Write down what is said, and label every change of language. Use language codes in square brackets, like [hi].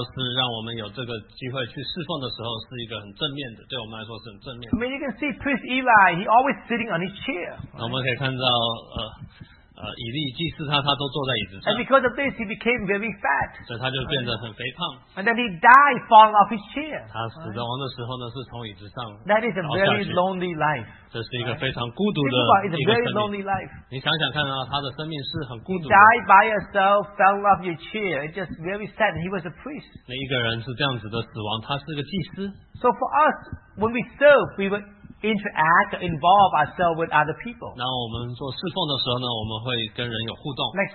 [zh] 那如果说是让我们有这个机会去侍奉的时候, 是一个很正面的, 对我们来说是很正面的。 [en] I mean, you can see Priest Eli, he always sitting on his chair. Right? [zh] 我们可以看到, 以利祭司他, 他都坐在椅子上。 [en] And because of this, he became very fat. [zh] 所以他就变得很肥胖。 [en] Right? And then he died falling off his chair. [zh] 他死亡的时候呢, 是从椅子上, [en] that is a very lonely life. [zh] 这是一个非常孤独的一个生命。你想想看啊，他的生命是很孤独的。 [en] He died by yourself, fell off your chair. It's just very sad. He was a priest. [zh] 那一个人是这样子的死亡，他是个祭司。So [en] for us, when we serve, we would interact, involve ourselves with other people. [zh] 那我们做侍奉的时候呢，我们会跟人有互动。Next